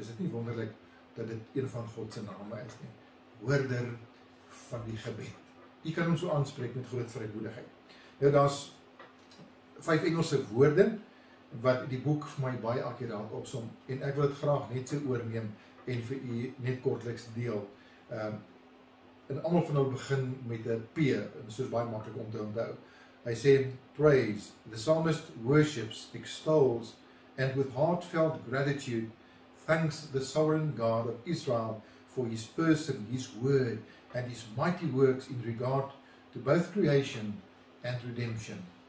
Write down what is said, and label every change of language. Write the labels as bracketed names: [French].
[Afrikaans] Is dit nie wonderlik dat dit een van God se name is nie? Hoorder van die gebed. U kan hom so aanspreek met groot vrymoedigheid. Nou daar's 5 Engelse woorde wat die boek vir my baie akkuraat opsom en ek wil dit graag net so oorneem en vir u net kortliks deel. En almal van nou begin met 'n P, en soos baie maklik om te onthou. Hy sê [English] praise, the psalmist worships, extols and with heartfelt gratitude thanks the sovereign God of Israel for his person, his word and his mighty works in regard to both creation and redemption.